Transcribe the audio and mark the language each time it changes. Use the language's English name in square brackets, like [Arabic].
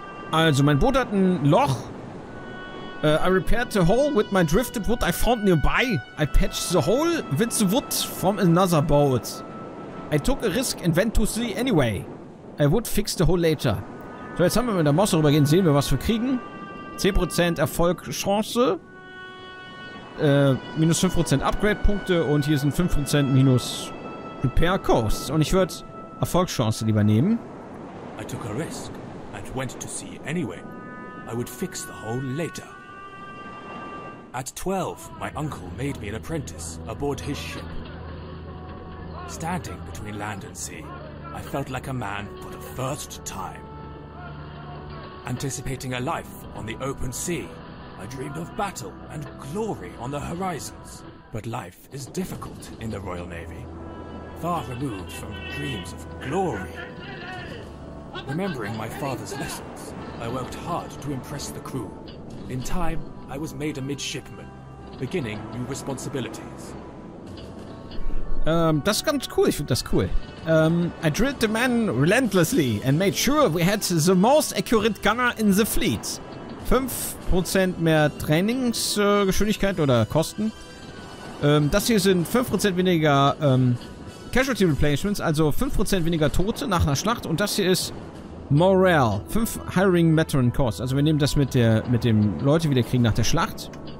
[German] Also, mein Boot hat ein Loch. [English] I repaired the hole with my drifted wood I found nearby. I patched the hole with the wood from another boat. I took a risk and went to sea anyway. I would fix the hole later. [German] So, jetzt haben wir mit der Mosse rübergehen, sehen wir, was wir kriegen. 10% Erfolgschance. Minus 5% Upgrade-Punkte und hier sind 5% minus Repair Costs. Und ich würde Erfolgschance lieber nehmen. [English] I took a risk and went to sea anyway. I would fix the hole later. At 12, my uncle made me an apprentice aboard his ship. Standing between land and sea, I felt like a man for the first time. Anticipating a life on the open sea, I dreamed of battle and glory on the horizons. But life is difficult in the Royal Navy, far removed from dreams of glory. Remembering my father's lessons, I worked hard to impress the crew. In time, I was made a midshipman, beginning new responsibilities. [German] Das ist ganz cool, ich finde das cool. [English] I drilled the men relentlessly and made sure we had the most accurate gunner in the fleet. [German] 5% mehr Trainingsgeschwindigkeit oder Kosten. Das hier sind 5% weniger Casualty Replacements, also 5% weniger Tote nach einer Schlacht. Und das hier ist Morale, 5 Hiring Veteran Costs. Also wir nehmen das mit dem Leute wieder kriegen nach der Schlacht.